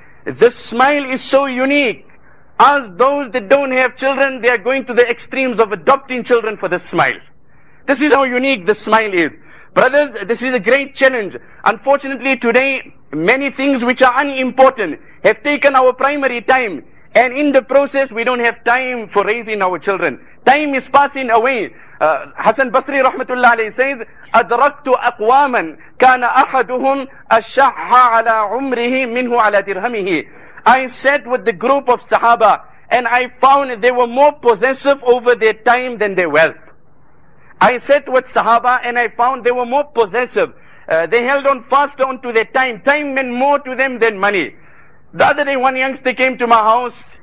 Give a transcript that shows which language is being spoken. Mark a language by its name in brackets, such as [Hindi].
[English] The smile is so unique. Ask those that don't have children, they are going to the extremes of adopting children for the smile. This is how unique the smile is. Brothers, this is a great challenge. Unfortunately, today, many things which are unimportant have taken our primary time. And in the process, we don't have time for raising our children. Time is passing away. Hasan Basri rahmatullah alayhi says, [Arabic] أَدْرَكْتُ أَقْوَامًا كَانَ أَحَدُهُمْ أَشَّحَّ عَلَى عُمْرِهِ مِنْهُ عَلَى دِرْهَمِهِ. [English] I sat with the group of Sahaba, and I found they were more possessive over their time than their wealth. I sat with Sahaba and I found they were more possessive. They held on faster onto their time. Time meant more to them than money. The other day one youngster came to my house.